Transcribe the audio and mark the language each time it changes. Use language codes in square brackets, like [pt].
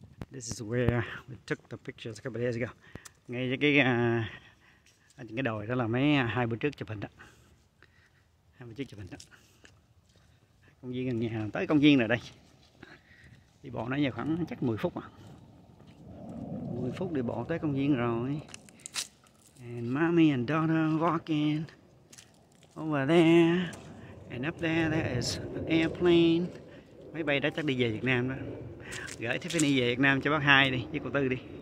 [en] This is where we took the pictures a couple days ago. [vi] Ngay cái đồi đó là mấy hai bữa trước chụp hình đó. Hai bữa trước chụp hình đó. Công viên gần nhà, tới công viên rồi đây. Đi bộ nãy giờ khoảng chắc 10 phút à. 10 phút đi bộ tới công viên rồi. [en] And mommy and daughter walking over there. And up there, there is an airplane. [vi] Máy bay đó chắc đi về Việt Nam đó. Gửi Tiffany về Việt Nam cho bác Hai đi, với cô Tư đi.